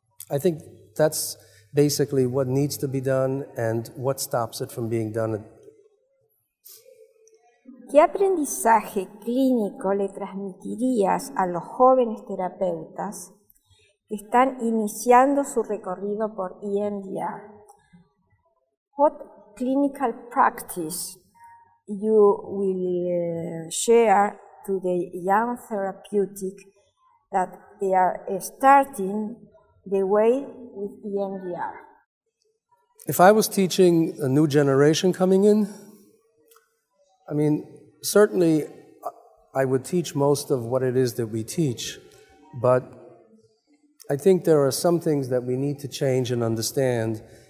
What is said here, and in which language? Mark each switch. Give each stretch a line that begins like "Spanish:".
English: I think that's basically what needs to be done and what stops it from being done.
Spanish: ¿Qué aprendizaje clínico le transmitirías a los jóvenes terapeutas que están iniciando su recorrido por EMDR?
English: What clinical practice you will share to the young therapeutic that they are starting the way with EMDR? If I was teaching a new generation coming in, I mean, certainly I would teach most of what it is that we teach, but I think there are some things that we need to change and understand.